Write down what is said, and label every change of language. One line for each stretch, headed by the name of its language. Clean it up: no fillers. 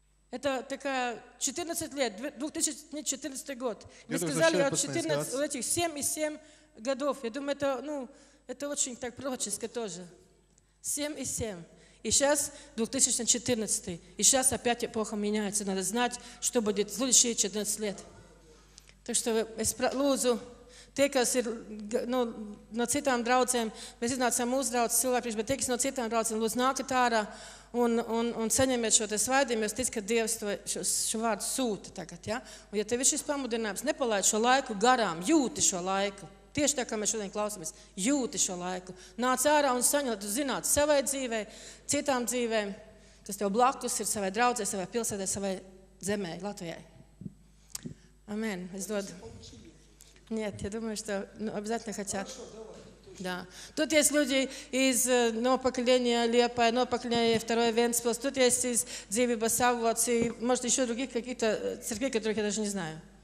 Russian: Это такая 14 лет, 2014 год. Мне сказали, от 14 этих 7 и 7 годов. Я думаю, это, ну, это очень так пророческое тоже. 7 и 7. И сейчас 2014, и сейчас опять эпоха меняется. Надо знать, что будет в следующие 14 лет. Так что,
Latvian: Лузу, те, кас ir, ну, no citām draudzēm, mēs iznācām uzdraudz cilvēkus, bet te, kas no citām draudzēm, Lūdzu, nākat ārā un saņemiet šo te svaidījumu, jūs ticat, ka Dievs to, šo vārdu sūta tagad. Ja? Un ja tev ir šis pamudinājums, nepalaid šo laiku garām, jūti šo laiku. Tieši tā, kā mēs šodien klausāmies, jūti šo laiku. Nāc ārā un saņem, lai tu zināt savai dzīvē, citām dzīvēm, kas tev blakus ir savai draudzē, savai pilsētē, savai zemē, Latvijai. Amen. Es dodu.
Russian: Нет, я думаю, что ну, обязательно хотят. Да. Тут есть люди из нового поколения Лепа, нового поколения Второй Венспилс, тут есть из Дзиви Басавлоц и, может, еще других каких-то церквей, которых я даже не знаю.